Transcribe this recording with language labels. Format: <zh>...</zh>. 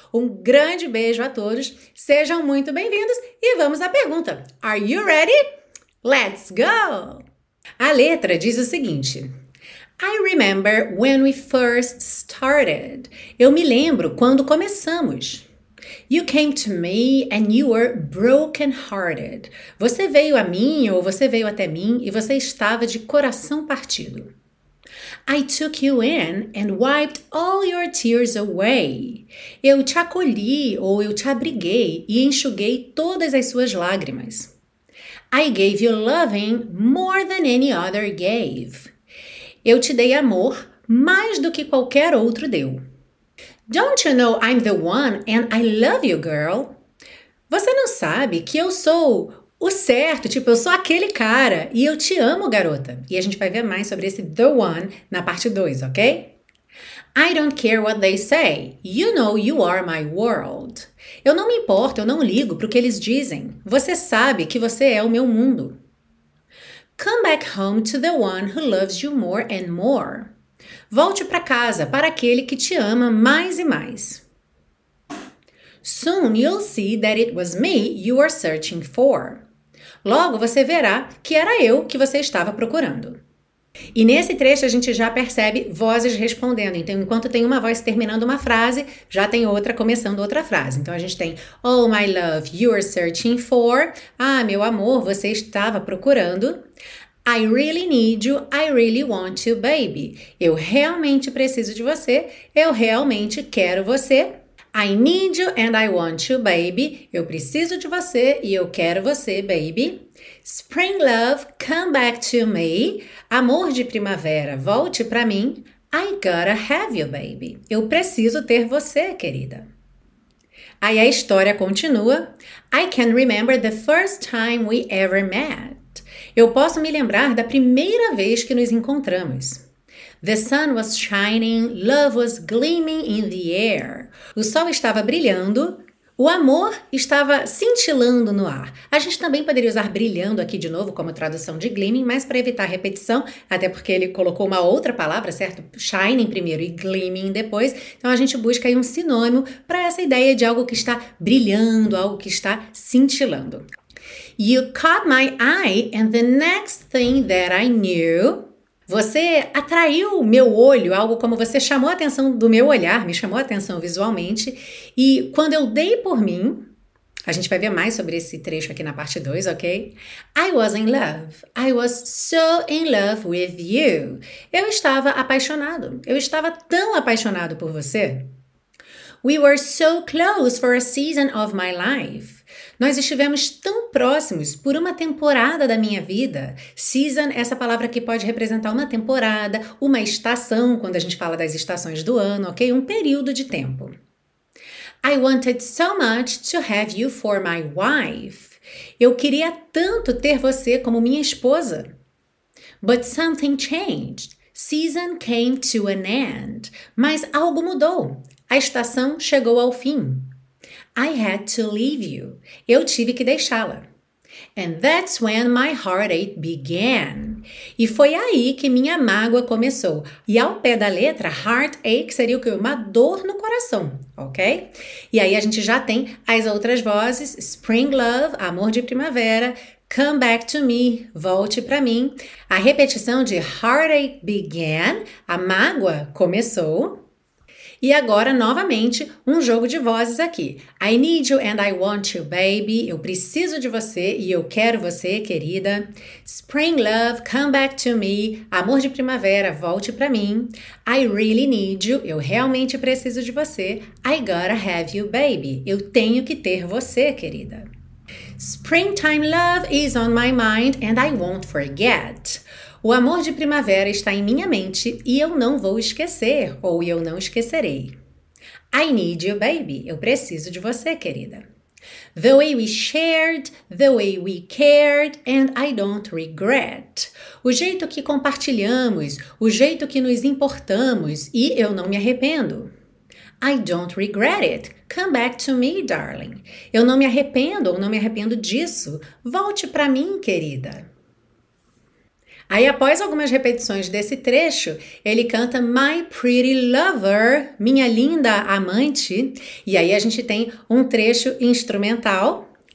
<pt>Um grande beijo a todos, sejam muito bem-vindos e vamos à pergunta.</pt> <en>Are you ready? Let's go!</en> <pt>A letra diz o seguinte:</pt> <en>I remember when we first started.</en> <pt>Eu me lembro quando começamos.</pt> <en>You came to me and you were broken-hearted.</en> <pt>Você veio a mim ou você veio até mim e você estava de coração partido.</pt> <en>I took you in and wiped all your tears away.</en> <pt>Eu te acolhi ou eu te abriguei e enxuguei todas as suas lágrimas.</pt> <en>I gave you loving more than any other gave.</en> <pt>Eu te dei amor mais do que qualquer outro deu.</pt> <en>Don't you know I'm the one and I love you, girl?</en> <pt>Você não sabe que eu sou o certo, tipo, eu sou aquele cara e eu te amo, garota. E a gente vai ver mais sobre esse The One na parte 2, ok?</pt> <en>I don't care what they say. You know you are my world.</en> <pt>Eu não me importo, eu não ligo pro que eles dizem. Você sabe que você é o meu mundo.</pt> <en>Come back home to the one who loves you more and more.</en> <pt>Volte para casa para aquele que te ama mais e mais.</pt> <en>Soon you'll see that it was me you were searching for.</en> <pt>Logo você verá que era eu que você estava procurando. E nesse trecho a gente já percebe vozes respondendo. Então, enquanto tem uma voz terminando uma frase, já tem outra começando outra frase. Então, a gente tem:</pt> <en>Oh, my love, you are searching for.</en> <pt>Ah, meu amor, você estava procurando.</pt> <en>I really need you. I really want you, baby.</en> <pt>Eu realmente preciso de você. Eu realmente quero você.</pt> <en>I need you and I want you, baby.</en> <pt>Eu preciso de você e eu quero você, baby.</pt> <en>Spring love, come back to me.</en> <pt>Amor de primavera, volte para mim.</pt> <en>I gotta have you, baby.</en> <pt>Eu preciso ter você, querida. Aí a história continua.</pt> <en>I can remember the first time we ever met.</en> <pt>Eu posso me lembrar da primeira vez que nos encontramos.</pt> <en>The sun was shining, love was gleaming in the air.</en> <pt>O sol estava brilhando, o amor estava cintilando no ar. A gente também poderia usar brilhando aqui de novo como tradução de gleaming, mas para evitar repetição, até porque ele colocou uma outra palavra, certo? Shining primeiro e gleaming depois. Então a gente busca aí um sinônimo para essa ideia de algo que está brilhando, algo que está cintilando.</pt> <en>You caught my eye, and the next thing that I knew.</en> <pt>Você atraiu o meu olho, algo como você chamou a atenção do meu olhar, me chamou a atenção visualmente. E quando eu dei por mim, a gente vai ver mais sobre esse trecho aqui na parte 2, ok?</pt> <en>I was in love. I was so in love with you.</en> <pt>Eu estava apaixonado. Eu estava tão apaixonado por você.</pt> <en>We were so close for a season of my life.</en> <pt>Nós estivemos tão próximos por uma temporada da minha vida. Season, essa palavra que pode representar uma temporada, uma estação, quando a gente fala das estações do ano, ok? Um período de tempo.</pt> <en>I wanted so much to have you for my wife.</en> <pt>Eu queria tanto ter você como minha esposa.</pt> <en>But something changed. Season came to an end.</en> <pt>Mas algo mudou. A estação chegou ao fim.</pt> <en>I had to leave you.</en> <pt>Eu tive que deixá-la.</pt> <en>And that's when my heartache began.</en> <pt>E foi aí que minha mágoa começou. E ao pé da letra, heartache seria o quê? Uma dor no coração, ok? E aí a gente já tem as outras vozes:</pt> <en>Spring love,</en> <pt>amor de primavera.</pt> <en>Come back to me,</en> <pt>volte para mim. A repetição de</pt> <en>heartache began,</en> <pt>a mágoa começou. E agora, novamente, um jogo de vozes aqui.</pt> <en>I need you and I want you, baby.</en> <pt>Eu preciso de você e eu quero você, querida.</pt> <en>Spring love, come back to me.</en> <pt>Amor de primavera, volte para mim.</pt> <en>I really need you.</en> <pt>Eu realmente preciso de você.</pt> <en>I gotta have you, baby.</en> <pt>Eu tenho que ter você, querida.</pt> <en>Springtime love is on my mind and I won't forget.</en> <pt>O amor de primavera está em minha mente e eu não vou esquecer, ou eu não esquecerei.</pt> <en>I need you, baby.</en> <pt>Eu preciso de você, querida.</pt> <en>The way we shared, the way we cared, and I don't regret.</en> <pt>O jeito que compartilhamos, o jeito que nos importamos, e eu não me arrependo.</pt> <en>I don't regret it. Come back to me, darling.</en> <pt>Eu não me arrependo, ou não me arrependo disso. Volte para mim, querida. Aí, após algumas repetições desse trecho, ele canta My Pretty Lover, minha linda amante. E aí a gente tem um trecho instrumental.</pt>